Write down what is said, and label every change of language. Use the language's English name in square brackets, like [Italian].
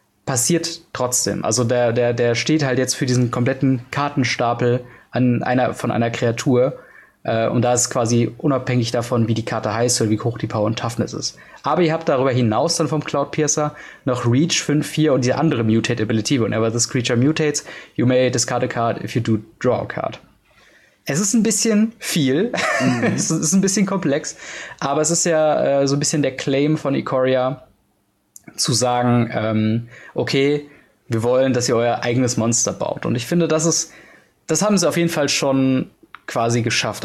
[German] passiert trotzdem. Also der steht halt jetzt für diesen kompletten Kartenstapel von einer Kreatur. Und da ist quasi unabhängig davon, wie die Karte heißt oder wie hoch die Power und Toughness ist. Aber ihr habt darüber hinaus dann vom Cloud Piercer noch Reach 5-4 und diese andere Mutate Ability. [English] Whenever this creature mutates, you may discard a card if you do draw a card. [German] Es ist ein bisschen viel. Mhm. Es ist ein bisschen komplex. Aber es ist ja so ein bisschen der Claim von Ikoria, zu sagen, okay, wir wollen, dass ihr euer eigenes Monster baut. Und ich finde, das haben sie auf jeden Fall schon quasi geschafft.